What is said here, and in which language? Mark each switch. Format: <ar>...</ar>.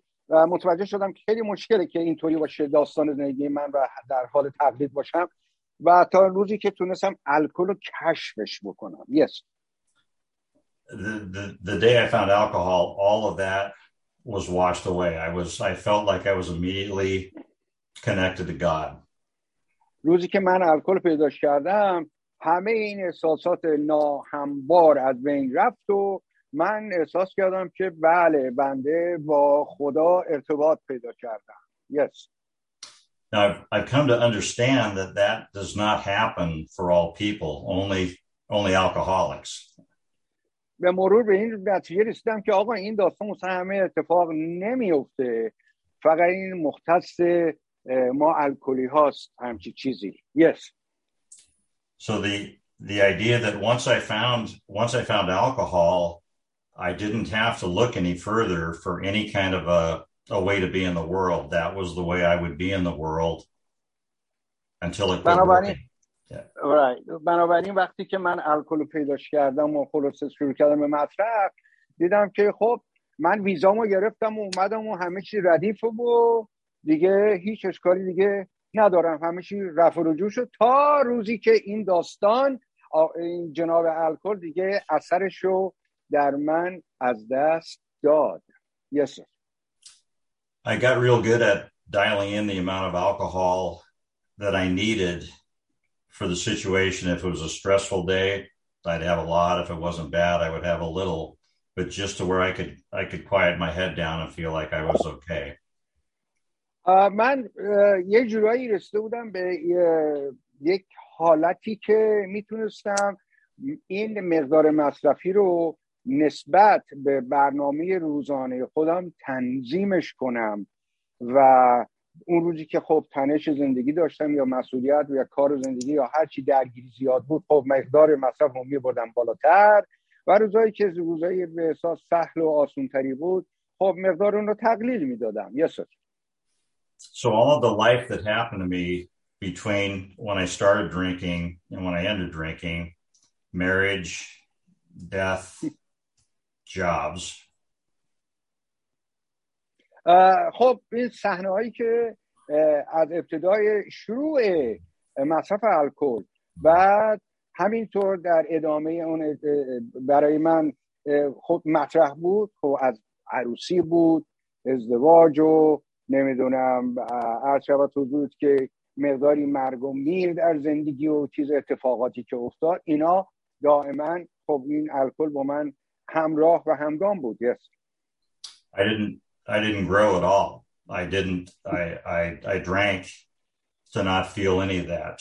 <fa>متوجه شدم که خیلی مشکله که اینطوری باشه داستان زندگی من و در حال تقلید باشم و تا روزی که تونستم الکل رو کشفش بکنم.</fa> <en>Yes. The day I found alcohol, all of that was washed away. I felt like I was immediately connected to God.</en> <fa>روزی که من الکل پیدا کردم همه این احساسات ناهمبار از بین رفت و من احساس کردم که بله بنده با خدا ارتباط پیدا کردم.</fa> <en>Yes. Now I've come to understand that does not happen for all people, only alcoholics.</en> <fa>به مرور به این نتیجه رسیدم که آقا این داستان همه اتفاق نمیفته فقط این مختص ما الکلی هاست همچی چیزی.</fa> <en>Yes. So the idea that once I found alcohol, I didn't have to look any further for any kind of a way to be in the world. That was the way I would be in the world until it quit working.</en> <fa>بنابراین وقتی که من الکل پیداش کردم و خلاصه شروع کردم به مطرح، دیدم که خب من ویزامو گرفتم و اومدم و همه چی ردیف و دیگه هیچ اشکالی دیگه ندارم، همه چی رف و رجوع شد، تا روزی که این داستان این جناب الکل دیگه اثرشو در من از دست داد.</fa> <en>Yes, sir. I got real good at dialing in the amount of alcohol that I needed for the situation. If it was a stressful day, I'd have a lot. If it wasn't bad, I would have a little, but just to where I could quiet my head down and feel like I was okay.</en> <fa>من یه جورایی رسیده بودم به یک حالتی که میتونستم این مقدار مصرفی رو نسبت به برنامه روزانه خودم تنظیمش کنم و اون روزی که خب تنش زندگی داشتم یا مسئولیت و یا کار زندگی یا هر چی درگیری زیاد بود، خب مقدار مصرف رو میبردم بالاتر، و روزایی که روزایی به احساس سهل و آسونتری بود، خب مقدار اون رو تقلیل میدادم.</fa> <en>Yes, sir. So all of the life that happened to me between when I started drinking and when I ended drinking, marriage, death, jobs.</en> <fa>خب این صحنه هایی که از ابتدای شروع مصرف الکل بعد همینطور در ادامه اون برای من خب مطرح بود، خب از عروسی بود، ازدواج و نمیدونم از شبات حضورت که مقداری مرگ و میر در زندگی و چیز اتفاقاتی که افتاد، اینا دائما خب این الکل با من همراه و همگام بود.</fa> <en>Yes. I didn't grow at all. I drank to not feel any of that.</en>